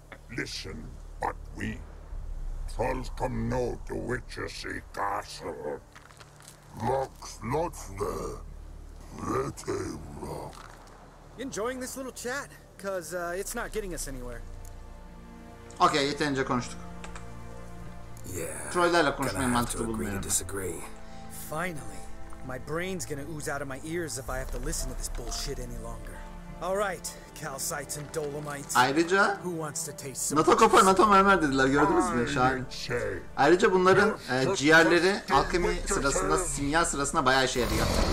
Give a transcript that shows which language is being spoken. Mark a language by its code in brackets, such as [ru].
[en] Listen, but we Trolls come north to Witchersea Castle. Rocks lots there. Let a rock. Enjoying this little chat? Cause it's not getting us anywhere. [tr] Okay, yeterince konuştuk. [en] Yeah. [tr] Trolllerle konuşmayı mantıklı bulmuyorum. [en] Disagree. Finally, my brain's gonna ooze out of my ears if I have to listen to this bullshit any longer. All right, calcites and dolomites. [tr] Ayrıca, [en] who wants to taste some? [tr] NATO kafa, NATO mermer dediler, gördünüz mü? Şahane. Ayrıca bunların ciğerleri alkemi sırasında, simya sırasında bayağı işe yarıyor.